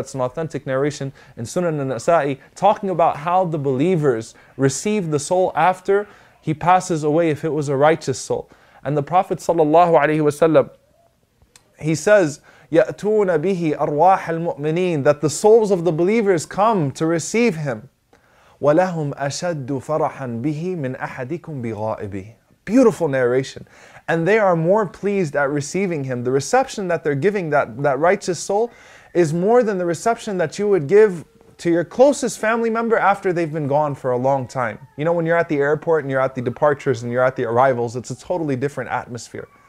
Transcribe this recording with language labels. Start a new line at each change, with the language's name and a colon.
English: It's an authentic narration in Sunan al-Nasa'i, talking about how the believers receive the soul after he passes away if it was a righteous soul. And the Prophet sallallahu alaihi wasallam, he says,
Arabic: يَأْتُونَ بِهِ أَرْوَاحَ الْمُؤْمِنِينَ
English: That the souls of the believers come to receive him.
Arabic: وَلَهُمْ أَشَدُّ فَرَحًا بِهِ مِنْ أَحَدِكُمْ بِغَائِبِهِ
English: Beautiful narration. And they are more pleased at receiving him. The reception that they're giving that righteous soul is more than the reception that you would give to your closest family member after they've been gone for a long time. When you're at the airport and you're at the departures and you're at the arrivals, it's a totally different atmosphere.